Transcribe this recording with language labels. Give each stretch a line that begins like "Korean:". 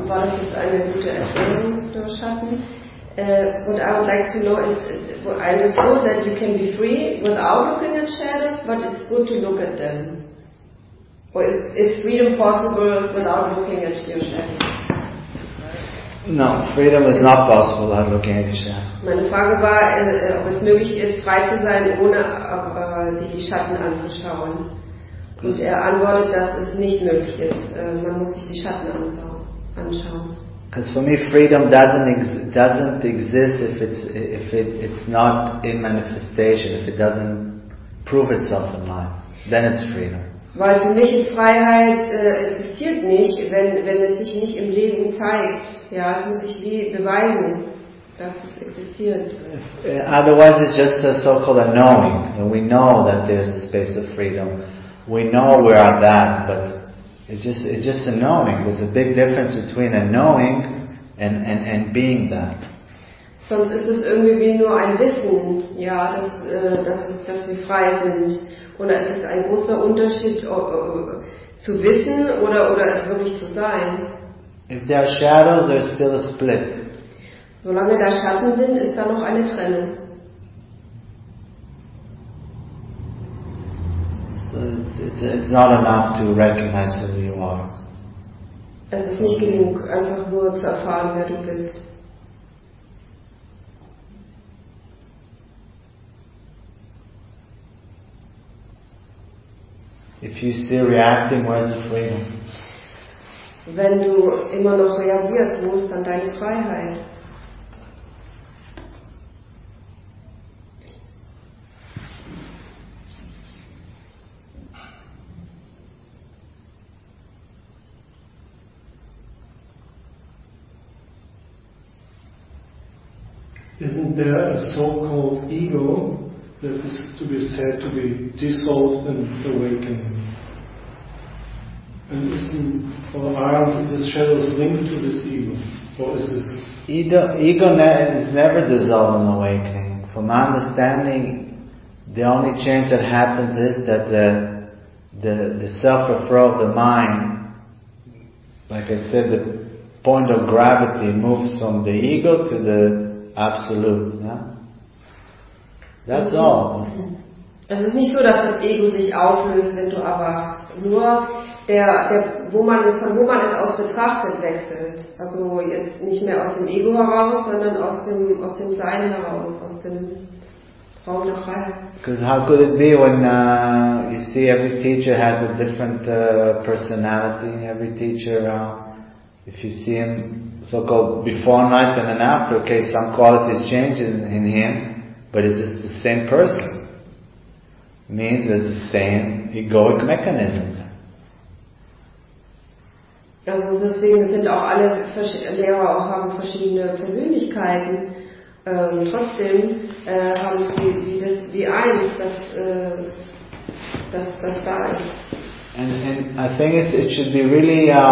German: War das jetzt eine gute Erklärung für Schatten?
English: What I would like to know is, I understood that you can be free without looking at shadows, but it's good to look at them. Is freedom possible without looking at your shadow? No, freedom is not possible without looking at your shadow.
German: Meine Frage war, ob es möglich ist, frei zu sein, ohne sich die Schatten anzuschauen. Und er antwortet, dass es nicht möglich ist. Man muss sich die Schatten anschauen. Because for me, freedom doesn't exist if it's not in manifestation, if it doesn't prove itself in life, then it's freedom. Weil für mich ist Freiheit existiert nicht, wenn es sich nicht im Leben zeigt. Ja, es muss sich wie beweisen, dass es existiert.
English: Otherwise it's just a so-called a knowing. And we know that there's a space of freedom. We know we are that, but it's just a knowing. There's a big difference between a knowing and being that.
German: Sonst ist es irgendwie wie nur ein Wissen, ja, dass wir frei sind. Und es ist ein großer Unterschied, zu wissen oder es wirklich zu sein.
English: If there are shadows, there's still a split.
German: Solange da Schatten sind, ist da noch eine Trennung.
English: So it's not enough to recognize who you are.
German: Es ist nicht genug, einfach nur zu erfahren, wer du bist.
English: If you're still reacting, where's the freedom?
German: Wenn du immer noch reagierst, wo ist dann deine Freiheit?
English: Isn't there a so-called ego that is to be said to be dissolved and awakened? And aren't the shadows linked to this ego? Or is this? Ego is never dissolved in awakening. From my understanding, the only change that happens is that the self-referral of the mind, like I said, the point of gravity moves from the ego to the absolute. Yeah? That's all.
German: Es ist nicht so, dass das Ego sich auflöst, wenn du erwachst. Nur wo man es aus betrachtet wechselt. Also jetzt nicht mehr aus dem Ego heraus, sondern aus dem Sein heraus, aus dem Raum der Freiheit.
English: Because how could it be when you see every teacher has a different personality, every teacher, if you see him so-called before night and then after, okay, some qualities change in him, but it's the same person. Means that the same egoic mechanism.
German: Also deswegen sind auch alle Lehrer auch haben verschiedene Persönlichkeiten. Trotzdem haben sie das da ist.
English: And I think it should be really